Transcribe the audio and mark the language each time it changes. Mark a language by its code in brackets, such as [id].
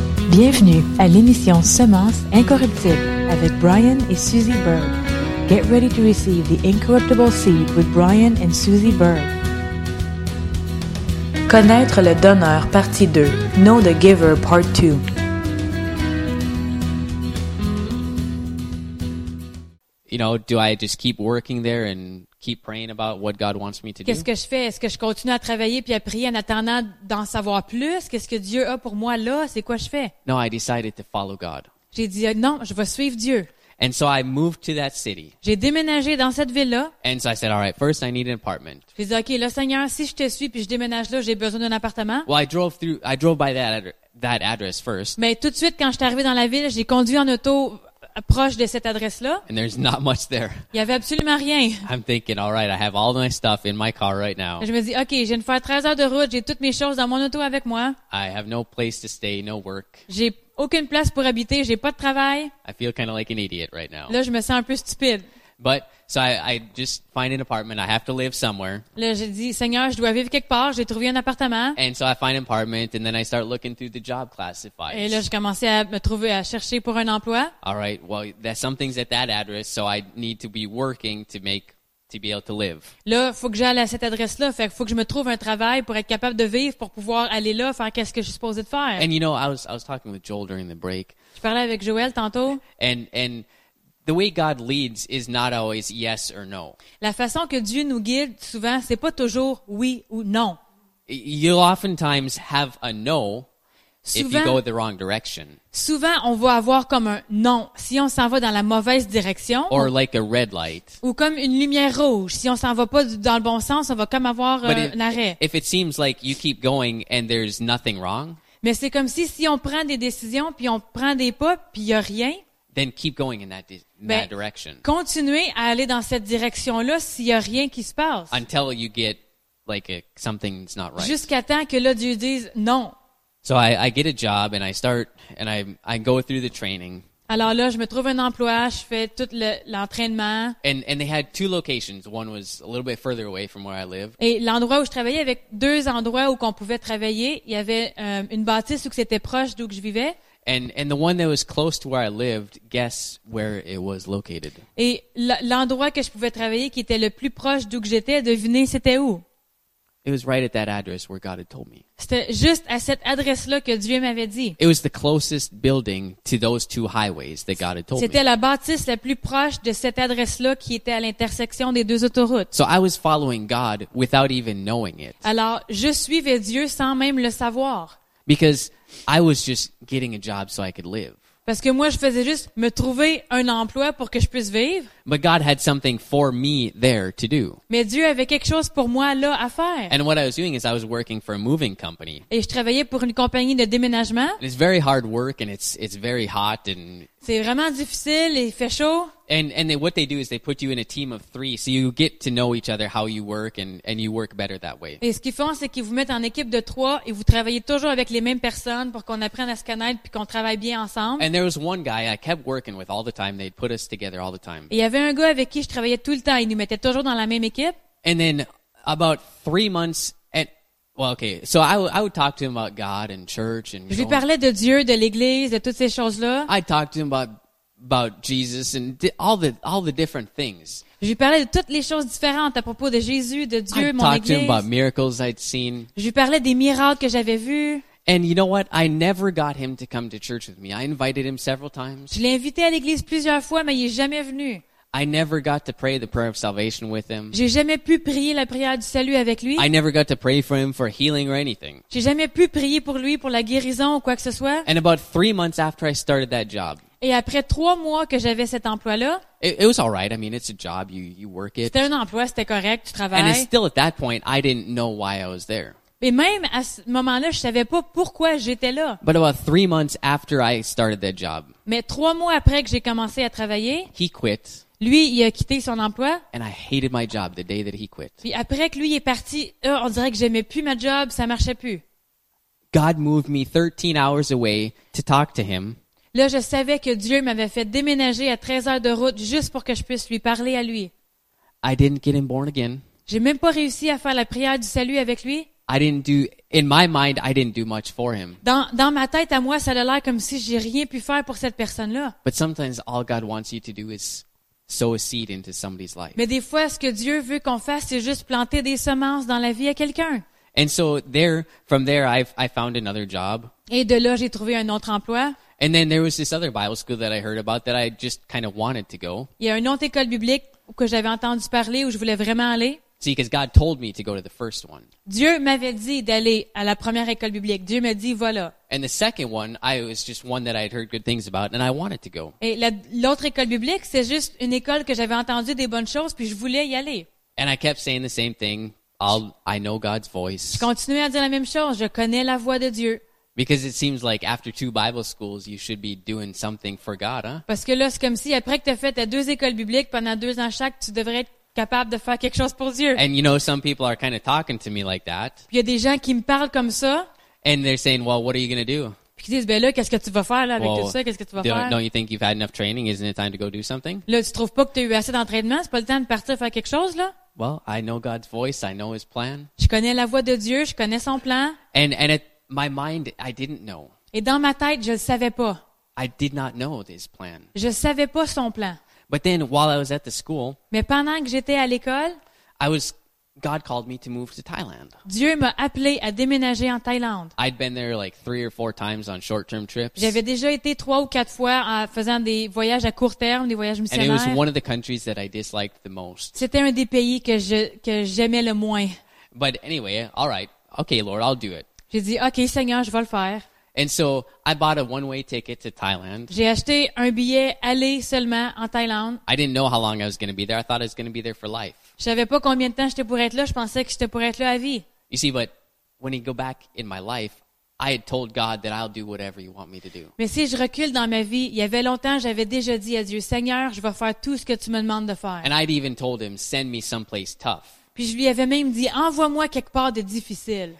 [fr] Bienvenue à l'émission Semence incorruptible avec Brian et Susie Berg. [en] Get ready to receive the incorruptible seed with Brian and Susie Berg. [fr] Connaître le donneur, partie 2. [en] Know the giver, part 2. You know, do I just keep working there and keep praying about what God wants me to do? [fr] Qu'est-ce que je fais? Est-ce que je continue à travailler puis à prier en attendant d'en savoir plus? Qu'est-ce que Dieu a pour moi là? C'est quoi je fais? [en] No, I decided to follow God. [fr] J'ai dit non, je vais suivre Dieu. [en] And so I moved to that city. [fr] J'ai déménagé dans cette ville-là. [en] And so I said, all right, first I need an apartment. [fr] J'ai dit, OK, là, Seigneur, si je te suis puis je déménage là, j'ai besoin d'un appartement. [en] Well, I drove by that address first. [fr] Mais tout de suite quand j'étais arrivé dans la ville, j'ai conduit en auto proche de cette adresse-là. [en] And there's not much there. [fr] Il y avait absolument rien. [en] I'm thinking, all right, I have all my stuff in my car right now. [fr] Je me dis, OK, je viens de faire 13 heures de route, j'ai toutes mes choses dans mon auto avec moi. [en] I have no place to stay, no work. [fr] J'ai aucune place pour habiter, j'ai pas de travail. [en] I feel kind of like an idiot right now. [fr] Là, je me sens un peu stupide. [en] But so I just find an apartment. I have to live somewhere. [fr] Là, j'ai dit, Seigneur, je dois vivre quelque part. J'ai trouvé un appartement. [en] And so I find an apartment, and then I start looking through the job classifieds. [fr] Et là, je commençais à me trouver à chercher pour un emploi. [en] All right. Well, there's some things at that address, so I need to be working to be able to live. [fr] Là, faut que j'aille à cette adresse-là. Fait que faut que je me trouve un travail pour être capable de vivre, pour pouvoir aller là, faire qu'est-ce que je suis supposé de faire. [en] And you know, I was talking with Joel during the break. [fr] Je parlais avec Joel tantôt. [en] And the way God leads is not always yes or no. [fr] La façon que Dieu nous guide souvent, c'est pas toujours oui ou non. [en] You'll oftentimes have a no [fr] souvent, [en] if you go the wrong direction. [fr] Souvent, on va avoir comme un non si on s'en va dans la mauvaise direction. Or like a red light. Ou comme une lumière rouge. Si on s'en va pas dans le bon sens, on va comme avoir un arrêt. [en] If it seems like you keep going and there's nothing wrong. [fr] Mais c'est comme si on prend des décisions puis on prend des pas puis il y a rien. [en] Then keep going in that direction. [fr] Continuez à aller dans cette direction-là s'il n'y a rien qui se passe. [en] Until you get like something's not right. [fr] Jusqu'à temps que là Dieu dise non. [en] So I get a job and I start and I go through the training. [fr] Alors là, je me trouve un emploi, je fais tout l'entraînement. [en] And they had two locations. One was a little bit further away from where I live. [fr] Et l'endroit où je travaillais avec deux endroits où qu'on pouvait travailler, il y avait une bâtisse où que c'était proche d'où que je vivais. [en] And the one that was close to where I lived, guess where it was located. [fr] Et l'endroit que je pouvais travailler qui était le plus proche d'où que j'étais, devinez c'était où? [en] It was right at that address where God had told me. [fr] C'était juste à cette adresse-là que Dieu m'avait dit. [en] It was the closest building to those two highways that God had told me. [fr] C'était la bâtisse la plus proche de cette adresse-là qui était à l'intersection des deux autoroutes. [en] So I was following God without even knowing it. [fr] Alors, je suivais Dieu sans même le savoir. [en] Because I was just getting a job so I could live. [fr] Parce que moi je faisais juste me trouver un emploi pour que je puisse vivre. [en] But God had something for me there to do. [fr] Mais Dieu avait quelque chose pour moi là à faire. [en] And what I was doing is I was working for a moving company. [fr] Et je travaillais pour une compagnie de déménagement. [en] And it's very hard work and it's very hot and [fr] c'est vraiment difficile et il fait chaud. [en] And what they do is they put you in a team of three, so you get to know each other, how you work, and you work better that way. [fr] Et ce qu'ils font, c'est qu'ils vous mettent en équipe de trois et vous travaillez toujours avec les mêmes personnes pour qu'on apprenne à se connaître puis qu'on travaille bien ensemble. [en] And there was one guy I kept working with all the time. They'd put us together all the time. [fr] Et il y avait un gars avec qui je travaillais tout le temps. Ils nous mettaient toujours dans la même équipe. [en] And then about 3 months. Well, okay. So I would talk to him about God and church and. [fr] Je lui parlais de Dieu, de l'Église, de toutes ces choses-là. [en] I talked to him about Jesus and all the different things. [fr] Je lui parlais de toutes les choses différentes à propos de Jésus, de Dieu, mon Église. [en] I talked to him about miracles I'd seen. [fr] Je lui parlais des miracles que j'avais vus. [en] And you know what? I never got him to come to church with me. I invited him several times. [fr] Je l'ai invité à l'église plusieurs fois, mais il est jamais venu. [en] I never got to pray the prayer of salvation with him. [fr] J'ai jamais pu prier la prière du salut avec lui. [en] I never got to pray for him for healing or anything. [fr] J'ai jamais pu prier pour lui pour la guérison ou quoi que ce soit. [en] And about 3 months after I started that job. [fr] Et après 3 mois que j'avais cet emploi-là. [en] It was all right. I mean, it's a job. You work it. [fr] C'était un emploi, c'était correct, tu travailles. [en] And still at that point, I didn't know why I was there. [fr] Et même à ce moment-là, je savais pas pourquoi j'étais là. [en] But about 3 months after I started that job. [fr] Mais 3 mois après que j'ai commencé à travailler. [en] He quit. [fr] Lui, il a quitté son emploi. [en] And I hated my job the day that he quit. [fr] Puis après que lui est parti, on dirait que j'aimais plus ma job, ça marchait plus. [en] God moved me 13 hours away to talk to him. [fr] Là, je savais que Dieu m'avait fait déménager à 13 heures de route juste pour que je puisse lui parler à lui. [en] I didn't get him born again. [fr] J'ai même pas réussi à faire la prière du salut avec lui. [en] In my mind, I didn't do much for him. [fr] Dans ma tête à moi, ça a l'air comme si j'ai rien pu faire pour cette personne-là. [en] But sometimes all God wants you to do is sow a seed into somebody's life. [fr] Mais des fois, ce que Dieu veut qu'on fasse, c'est juste planter des semences dans la vie à quelqu'un. [en] And so there, from there, I found another job. [fr] Et de là, j'ai trouvé un autre emploi. [en] And then there was this other Bible school that I heard about that I just kind of wanted to go. [fr] Il y a une autre école biblique que j'avais entendu parler où je voulais vraiment aller. [en] See, because God told me to go to the first one. [fr] Dieu m'avait dit d'aller à la première école biblique. Dieu m'a dit voilà. [en] And the second one, I was just one that I had heard good things about, and I wanted to go. [fr] Et l'autre école biblique, c'est juste une école que j'avais entendu des bonnes choses, puis je voulais y aller. [en] And I kept saying the same thing. I know God's voice. [fr] Je continuais à dire la même chose. Je connais la voix de Dieu. [en] Because it seems like after two Bible schools, you should be doing something for God, huh? [fr] Parce que là, c'est comme si après que t'as fait tes deux écoles bibliques pendant deux ans chaque, tu devrais être capable de faire quelque chose pour Dieu. [en] And you know, some people are kind of talking to me like that. [fr] Il y a des gens qui me parlent comme ça. [en] And they're saying, "Well, what are you going to do?" [fr] Puis ils disent, "Ben là, qu'est-ce que tu vas faire là avec tout ça? Qu'est-ce que tu vas faire?" [en] Don't you think you've had enough training? Isn't it time to go do something? [fr] Là, tu trouves pas que t'as eu assez d'entraînement? C'est pas le temps de partir faire quelque chose là? [en] Well, I know God's voice. I know His plan. [fr] Je connais la voix de Dieu. Je connais son plan. [en] And at my mind, I didn't know. [fr] Et dans ma tête, je le savais pas. [en] I did not know His plan. [fr] Je savais pas son plan. [en] But then, while I was at the school, [fr] mais pendant que j'étais à l'école, [en] God called me to move to Thailand. [fr] Dieu m'a appelé à déménager en Thaïlande. [en] I'd been there like three or four times on short-term trips. [fr] J'avais déjà été trois ou quatre fois en faisant des voyages à court terme, des voyages missionnaires. [en] And it was one of the countries that I disliked the most. [fr] C'était un des pays que j'aimais le moins. [en] But anyway, all right, okay, Lord, I'll do it. [fr] J'ai dit, ok, Seigneur, je vais le faire. [en] And so I bought a one-way ticket to Thailand. [fr] J'ai acheté un billet aller seulement en Thaïlande. [en] I didn't know how long I was going to be there. I thought I was going to be there for life. [fr] Je savais pas combien de temps j'étais pour être là. Je pensais que j'étais pour être là à vie. [en] You see, but when you go back in my life, I had told God that I'll do whatever you want me to do. [fr] Mais si je recule dans ma vie, il y avait longtemps, j'avais déjà dit à Dieu, Seigneur, je vais faire tout ce que tu me demandes de faire. [en] And I'd even told him, send me someplace tough. [fr] Puis je lui avais même dit, envoie-moi quelque part de difficile.